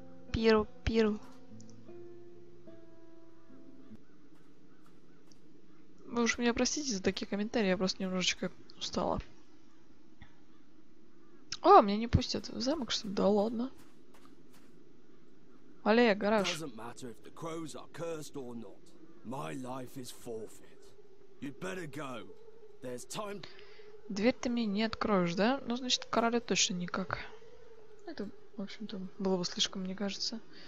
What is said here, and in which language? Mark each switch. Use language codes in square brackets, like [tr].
[ru] Перо, перо. Вы уж меня простите за такие комментарии, я просто немножечко устала. О, меня не пустят в замок, что ли? Да ладно. Аллея, гараж. [en] Doesn't matter if the crows are cursed or not. My life is forfeit. You'd better go. There's time. [ru] Дверь ты мне не откроешь, да? Ну, значит, короля точно никак. Это, в общем-то, было бы слишком, мне кажется.